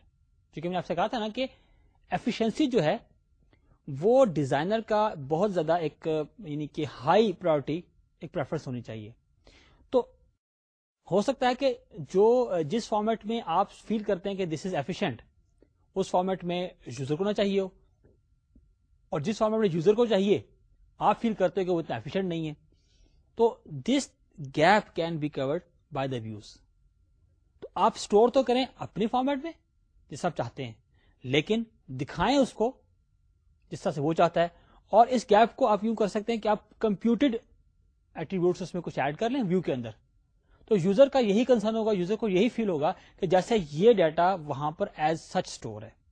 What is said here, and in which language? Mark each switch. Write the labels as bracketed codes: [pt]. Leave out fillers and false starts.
[ur] چونکہ میں نے آپ سے کہا تھا نا کہ ایفیشنسی جو ہے وہ ڈیزائنر کا بہت زیادہ ایک یعنی کہ ہائی پرائرٹی, ایک پریفرنس ہونی چاہیے. تو ہو سکتا ہے کہ جو جس فارمیٹ میں آپ فیل کرتے ہیں کہ [en] this is efficient, [ur] اس فارمیٹ میں یوزر کو نہ چاہیے ہو, اور جس فارمیٹ میں یوزر کو چاہیے آپ فیل کرتے ہو کہ وہ اتنا ایفیشنٹ نہیں ہے. [en] تو this gap can be covered by the views. [ur] تو آپ اسٹور تو کریں اپنے فارمیٹ میں جس آپ چاہتے ہیں, لیکن دکھائیں اس کو جس طرح سے وہ چاہتا ہے. اور اس گیپ کو آپ یوں کر سکتے ہیں کہ آپ کمپیوٹڈ ایٹریبیوٹس اس میں کچھ ایڈ کر لیں ویو کے اندر. تو یوزر کا یہی کنسرن ہوگا, یوزر کو یہی فیل ہوگا کہ جیسے یہ ڈیٹا وہاں پر ایز سچ اسٹور ہے.